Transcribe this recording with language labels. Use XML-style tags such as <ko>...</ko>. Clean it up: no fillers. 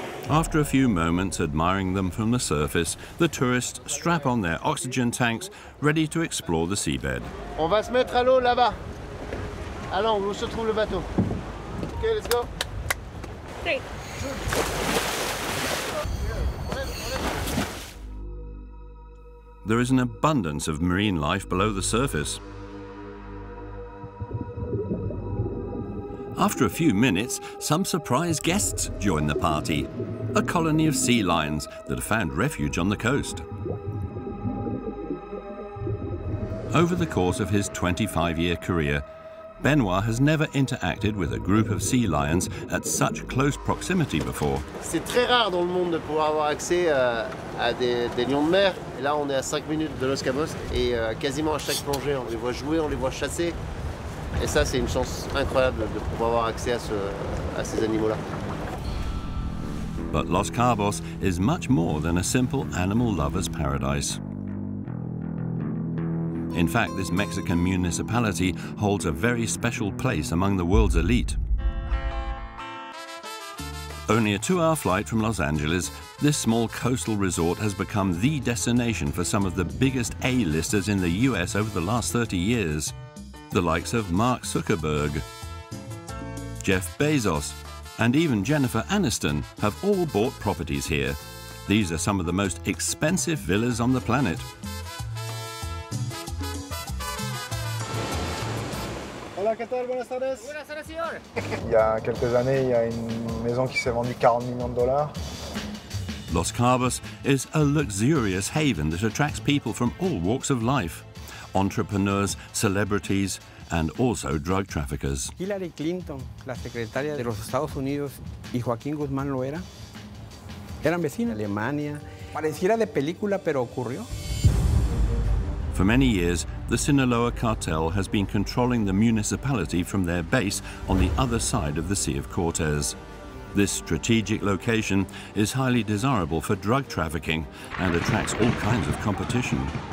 <en>After a few moments admiring them from the surface, the tourists strap on their oxygen tanks, ready to explore the seabed.</en> <fr>On va se mettre à l'eau là-bas. Allons, où se trouve le bateau?</fr> <en>Okay, let's go. Three. There is an abundance of marine life below the surface. After a few minutes, some surprise guests join the party. A colony of sea lions that have found refuge on the coast. Over the course of his 25-year career, Benoit has never interacted with a group of sea lions at such close proximity before.</en> <fr>C'est très rare dans le monde de pouvoir avoir accès à des lions de mer. Et là, on est à 5 minutes de Los Cabos et quasiment à chaque plongée, on les voit jouer, on les voit chasser. Et ça, c'est une chance incroyable de pouvoir avoir accès à ces animaux-là.</fr> <en>But Los Cabos is much more than a simple animal lover's paradise. In fact, this Mexican municipality holds a very special place among the world's elite. Only a two-hour flight from Los Angeles, this small coastal resort has become the destination for some of the biggest A-listers in the US over the last 30 years. The likes of Mark Zuckerberg, Jeff Bezos, and even Jennifer Aniston have all bought properties here. These are some of the most expensive villas on the planet.</en> <es>Hola, ¿qué tal? Buenas tardes. Buenas tardes, señor.</es> <fr>Il y a quelques années, il y a une maison qui s'est vendue 40 millions de dollars.</fr> <en>Los Cabos is a luxurious haven that attracts people from all walks of life. Entrepreneurs, celebrities, and also drug traffickers.</en> <es>Hillary Clinton, la secretaria de los Estados Unidos, y Joaquín Guzmán lo era. Eran vecinos. Alemania. Pareciera de película, pero ocurrió.</es> <en>For many years, the Sinaloa cartel has been controlling the municipality from their base on the other side of the Sea of Cortez. This strategic location is highly desirable for drug trafficking and attracts all kinds of competition.</en>